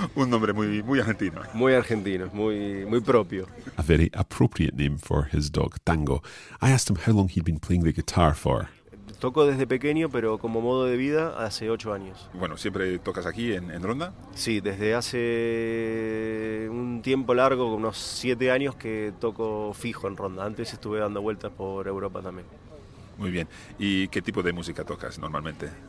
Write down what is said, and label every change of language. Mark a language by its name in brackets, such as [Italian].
[Spanish] Un nombre muy, muy argentino. Muy argentino, muy, muy propio. [English] A very appropriate name for his dog, Tango. I asked him how long he'd been playing the guitar for. [Spanish] Toco desde pequeño, pero como modo de vida, hace 8 años. Bueno, ¿siempre tocas aquí en Ronda? Sí, desde hace un tiempo largo, unos 7 años, que toco fijo en Ronda. Antes estuve dando vueltas por Europa también. Muy bien. ¿Y qué tipo de música tocas normalmente?